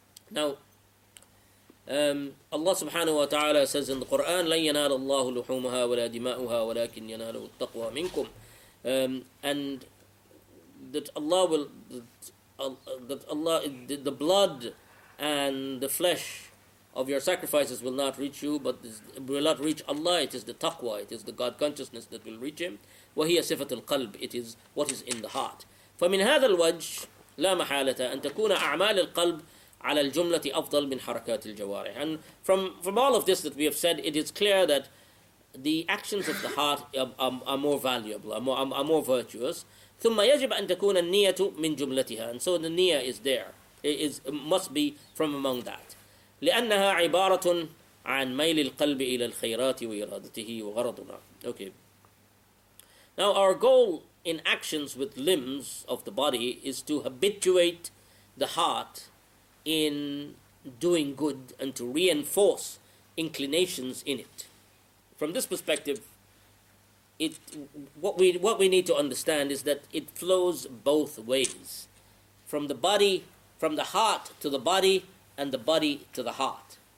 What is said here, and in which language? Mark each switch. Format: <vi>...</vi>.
<en>Now, Allah subhanahu wa ta'ala says in the Quran,</en> <ar>لَنْ يَنَالَ اللَّهُ لُحُومُهَا وَلَا دِمَاؤُهَا وَلَكِنْ يَنَالَهُ التَّقْوَى مِنْكُمْ,</ar> <en>and that Allah will, the blood and the flesh of your sacrifices will not reach you, but will not reach Allah. It is the taqwa, it is the God consciousness that will reach him.</en> <ar>وَهِيَ صِفَةُ الْقَلْبِ,</ar> <en>it is what is in the heart.</en> <ar>فَمِنْ هَذَا الْوَجْهِ لَا مَحَالَةَ أَن تَكُونَ أَعْمَالِ الْقَلْبِ على الجملة أفضل من حركات الجوارح.</ar> <en>And from all of this that we have said, it is clear that the actions of the heart are more valuable, are more virtuous.</en> <ar>ثم يجب أن تكون النية من جملتها.</ar> <en>And so the niyyah is there. It must be from among that.</en> <ar>لأنها عبارة عن ميل القلب إلى الخيرات وإرادته وغرضنا.</ar> <en>Okay. Now our goal in actions with limbs of the body is to habituate the heart in doing good and to reinforce inclinations in it. From this perspective, what we need to understand is that it flows both ways, from the body, from the heart to the body, and the body to the heart.</en>